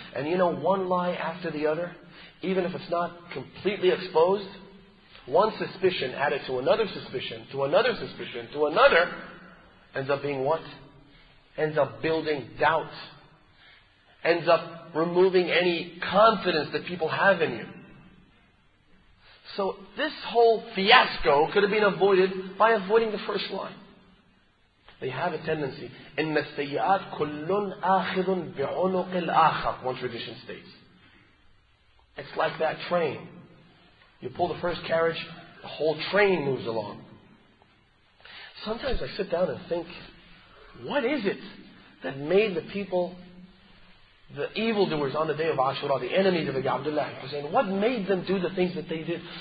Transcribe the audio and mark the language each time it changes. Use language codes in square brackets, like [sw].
[en] And you know, one lie after the other, even if it's not completely exposed, one suspicion added to another suspicion, to another suspicion, to another, ends up being what? Ends up building doubt. Ends up removing any confidence that people have in you. So this whole fiasco could have been avoided by avoiding the first lie. They have a tendency. [ar] إِنَّ السَّيِّئَاتِ كُلٌّ آخِذٌ بِعُنُقِ الْآخَرِ [en] One tradition states. It's like that train. You pull the first carriage, the whole train moves along. Sometimes I sit down and think, what is it that made the people, the evildoers on the day of Ashura, the enemies of the Abdullah and Hussein, what made them do the things that they did?